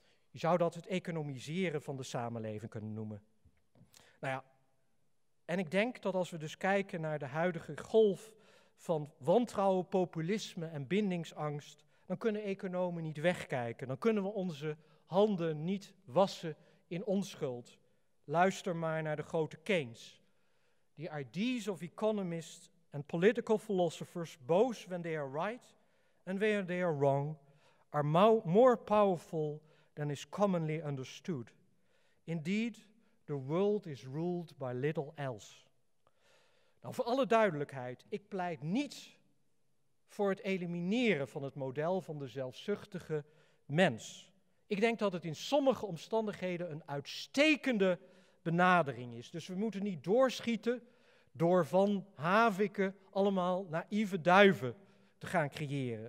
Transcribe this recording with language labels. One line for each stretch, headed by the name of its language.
Dutch: Je zou dat het economiseren van de samenleving kunnen noemen. Nou ja. En ik denk dat als we dus kijken naar de huidige golf van wantrouwen, populisme en bindingsangst, dan kunnen economen niet wegkijken. Dan kunnen we onze handen niet wassen in onschuld. Luister maar naar de grote Keynes.
English: The ideas of economists and political philosophers, both when they are right and when they are wrong, are more powerful than is commonly understood. Indeed, the world is ruled by little else.
Dutch: Nou, voor alle duidelijkheid, ik pleit niet voor het elimineren van het model van de zelfzuchtige mens. Ik denk dat het in sommige omstandigheden een uitstekende benadering is. Dus we moeten niet doorschieten door van haviken allemaal naïeve duiven te gaan creëren.